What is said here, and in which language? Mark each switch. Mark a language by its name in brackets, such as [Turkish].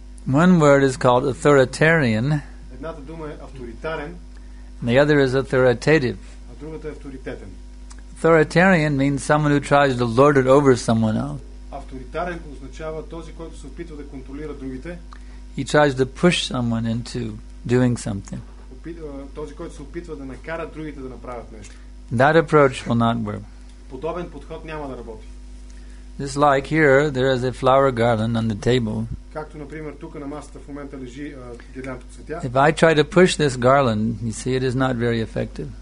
[English] One word is called authoritarian. [Bulgarian] Едната дума е авторитарен. [English] And the other is authoritative. [Bulgarian] А другата е авторитетен. [English] Authoritarian means someone who tries to lord it over someone else. [Bulgarian] Авторитарен означава този, който се опитва да контролира другите. [English] He tries to push someone into doing something. [Bulgarian] Този, който се опитва да накара другите да направят нещо. [English] That approach will not work. [Bulgarian] Подобен подход няма да работи. [English] Just like here, there is a flower garland on the table. [Bulgarian] Както, например, тук на масата в момента лежи гирлянда от цветя. [English] If I try to push this garland, you see, it is not very effective.